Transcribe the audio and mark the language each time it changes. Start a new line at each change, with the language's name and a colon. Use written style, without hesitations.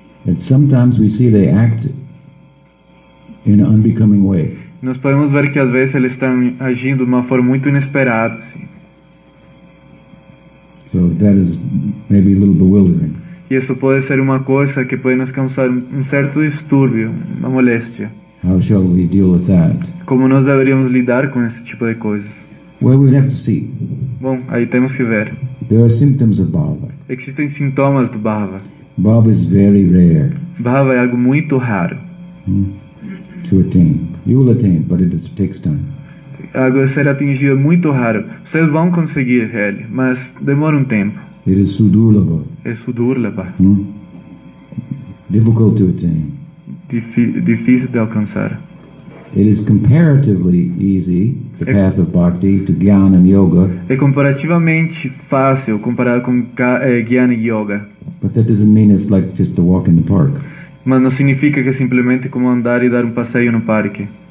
English: And sometimes we see they act in an unbecoming way.
Portuguese: Nós podemos ver que às vezes eles estão agindo de uma forma muito inesperada. Sim.
English: So that is maybe a little bewildering.
Portuguese: E isso pode ser uma coisa que pode nos causar um certo distúrbio, uma moléstia.
English: How shall we deal with that?
Portuguese: Como nós deveríamos lidar com esse tipo de coisas?
English: Well, we'll have to see.
Portuguese: Bom, aí temos que ver.
English: There are symptoms of bhava.
Portuguese: Existem sintomas do bhava.
English: Bhava is very rare.
Portuguese: Bhava é algo muito raro.
English: To attain. You will attain, but it takes time.
Portuguese: Algo a ser atingido é muito raro. Vocês vão conseguir, ele, mas demora um tempo.
English: It is sudurlabha.
Portuguese: É sudurlabha.
English: Difficult to attain.
Portuguese: Difícil de alcançar.
English: It is comparatively easy, the path of bhakti, to jnana and yoga.
Portuguese: É comparativamente fácil comparado com jnana e yoga.
English: But that doesn't mean it's like just a walk in the park.
Portuguese: Mas não significa que é simplesmente como andar e dar passeio no parque.